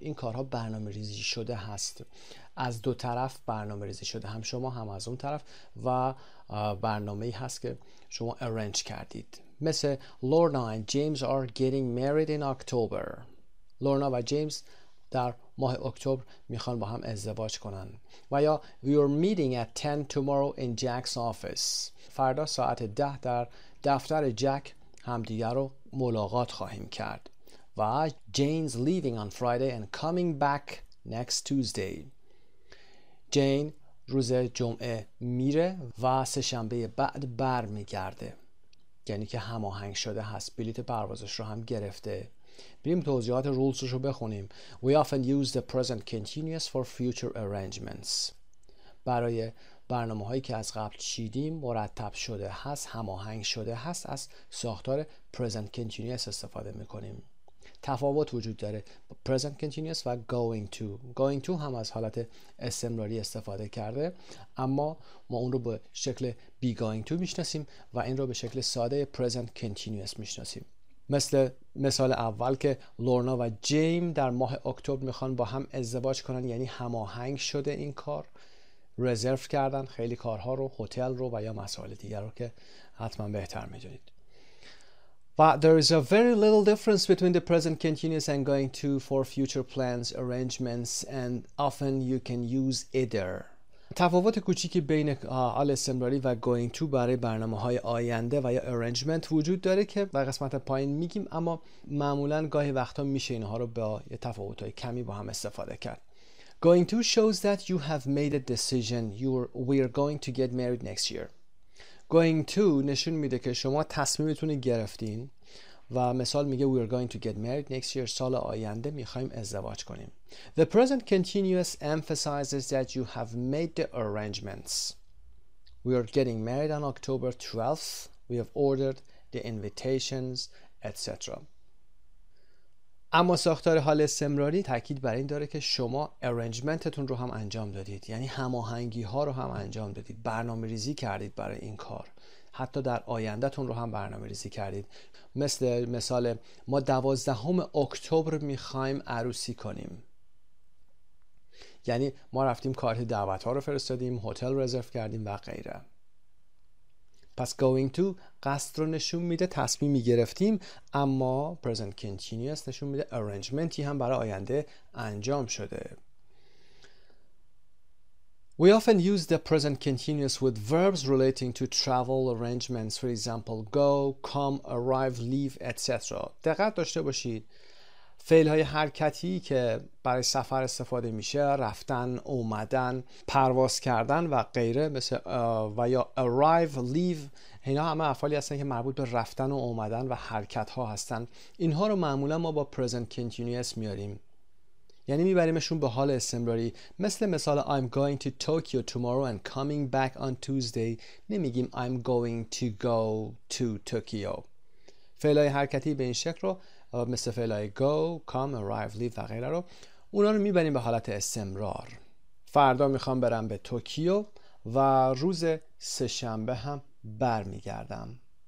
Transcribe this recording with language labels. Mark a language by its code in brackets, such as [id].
[fa] این کارها برنامه ریزی شده هست، از دو طرف برنامه ریزی شده، هم شما هم از اون طرف، و برنامه‌ای هست که شما arrange کردید. مثل [en] Lorna and James are getting married in October. [fa] لورنا و جیمز در ماه اکتبر میخوان با هم ازدواج کنن. و یا [en] We are meeting at 10 tomorrow in Jack's office. [fa] فردا ساعت 10 در دفتر جک همدیگر رو ملاقات خواهیم کرد. و [en] Jane's leaving on Friday and coming back next Tuesday. [fa] جین روز جمعه میره و سه شنبه بعد بر میگرده. یعنی که هماهنگ شده هست. بلیت پروازش رو هم گرفته. بریم توضیحات رولز رو بخونیم. [en] We often use the present continuous for future arrangements. [fa] برای برنامه هایی که از قبل چیدیم مرتب شده هست، هماهنگ شده هست، از ساختار present continuous استفاده میکنیم. تفاوت وجود داره present continuous و going to. going to هم از حالت استمراری استفاده کرده، اما ما اون رو به شکل be going to میشناسیم و این رو به شکل ساده present continuous میشناسیم. مثل مثال اول که لورنا و جیم در ماه اکتبر میخوان با هم ازدواج کنن، یعنی هماهنگ شده این کار، رزرو کردن خیلی کارها رو، هتل رو و یا مسائل دیگر رو که حتما بهتر میدونید. [en] But there is a very little difference between the present continuous and going to for future plans, arrangements, and often you can use either. [fa] تفاوت کوچیکی بین حال استمراری و going to برای برنامه‌های آینده و یا arrangement وجود داره که در قسمت پایین میگیم، اما معمولاً گاهی وقتا میشه اینها رو با یه تفاوت‌های کمی با هم استفاده کرد. [en] Going to shows that you have made a decision. We are going to get married next year. [fa] Going to نشون میده که شما تصمیمتون رو گرفتین و مثال میگه [en] we are going to get married next year، [fa] سال آینده میخوایم ازدواج کنیم. [en] The present continuous emphasizes that you have made the arrangements. We are getting married on October 12th. We have ordered the invitations, etc. [fa] اما ساختار حال استمراری تاکید بر این داره که شما ارنجمنتتون رو هم انجام دادید، یعنی هماهنگی ها رو هم انجام دادید، برنامه ریزی کردید برای این کار، حتی در آیندهتون رو هم برنامه ریزی کردید. مثل مثال ما 12 اکتبر میخوایم عروسی کنیم، یعنی ما رفتیم کارت دعوت ها رو فرستادیم، هتل رزرو کردیم و غیره. پس going to قصد رو نشون میده، تصمیمی گرفتیم، اما present continuous نشون میده arrangementی هم برای آینده انجام شده. [en] We often use the present continuous with verbs relating to travel arrangements, for example go, come, arrive, leave, etc. [fa] دقت داشته باشید فعل های حرکتی که برای سفر استفاده میشه، رفتن، اومدن، پرواز کردن و غیره، مثل و یا arrive, leave، اینا همه افعالی هستن که مربوط به رفتن و اومدن و حرکت ها هستن. اینها رو معمولا ما با present continuous میاریم، یعنی میبریمشون به حال استمراری. مثل مثال [en] I'm going to Tokyo tomorrow and coming back on Tuesday. [fa] نمیگیم [en] I'm going to go to Tokyo. [fa] فعل های حرکتی به این شکل رو مثل فعلای go, come, arrive, leave و غیره رو اونا رو میبریم به حالت استمرار. فردا میخوام برم به توکیو و روز سه شنبه هم بر میگردم.